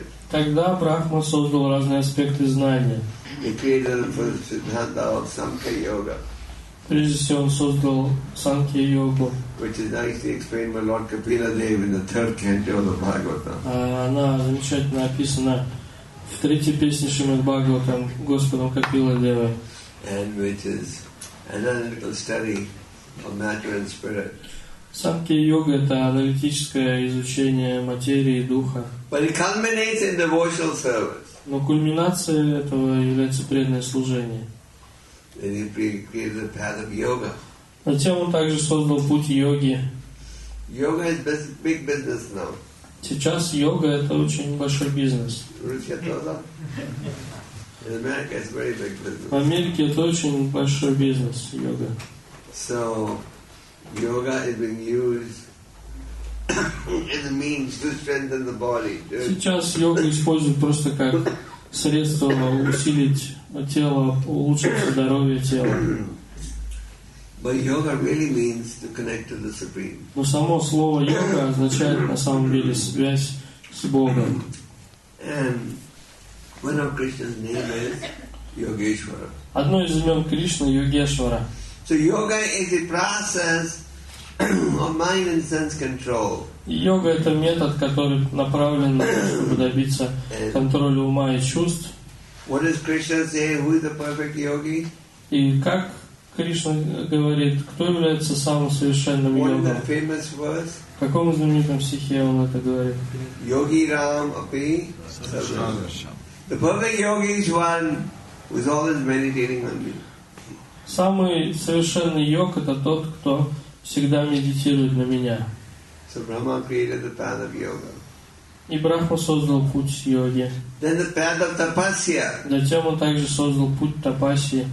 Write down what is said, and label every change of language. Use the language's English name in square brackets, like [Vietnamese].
[Russian] Тогда Брахма создал разные аспекты знания. Прежде всего, он создал Санкхья-йогу. Она замечательно описана в третьей песне Шримад-Бхагаватам Господом Капила-девой. [English] And which is an analytical study of matter and spirit. [Russian] Санкхья-йога — это аналитическое изучение материи и духа. [English] But it culminates in devotional service. [Russian] Но кульминация этого является преданное служение. [English] Then he created the path of yoga. [Russian] Затем он также создал путь йоги. [English] Yoga is big business now. [Russian] Сейчас йога — это очень большой бизнес. [English] In America, it's very big business. [Russian] В Америке это очень большой бизнес, йога. [English] So, yoga is being used as a means to strengthen the body. [Russian] Сейчас йога используют просто как средство усилить тело, улучшить здоровье тела. [English] But yoga really means to connect to the supreme. [Russian] Но само слово йога означает на самом деле связь с Богом. [English] And one of Krishna's name is Yogeshwara. [Russian] Одно из имен Кришны — Йогешвара. [English] So yoga is a process of mind and sense control. [Russian] Йога — это метод, который направлен на то, чтобы добиться контроля ума и чувств. [English] What does Krishna say? Who is the perfect yogi? [Russian] И как Кришна говорит, кто является самым совершенным йогой? [English] What is the famous verse? [Russian] В каком знаменитом стихе он это говорит? Yogi Ram Api. [English] The perfect yogi is one who is always meditating on me. [Russian] Самый совершенный йог — это тот, кто всегда медитирует на меня. [English] So Brahma created the path of yoga. [Russian] И Брахма создал путь йоги. [English] Then the path of tapasya. [Russian] Затем он также создал путь тапасии.